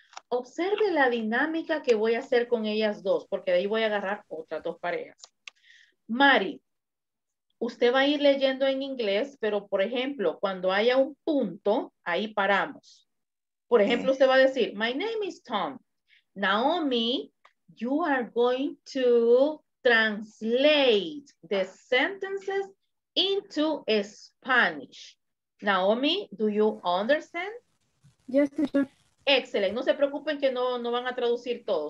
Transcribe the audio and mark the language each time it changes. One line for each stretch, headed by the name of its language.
Spanish: Observe la dinámica que voy a hacer con ellas dos, porque de ahí voy a agarrar otras dos parejas. Mari, usted va a ir leyendo en inglés, pero por ejemplo, cuando haya un punto, ahí paramos. Por ejemplo, usted va a decir,
English: my name is Tom. Naomi, you are going to translate the sentences into Spanish. Naomi, do you understand? Yes, teacher.
Spanish: Excelente. No se preocupen que no van a traducir todo.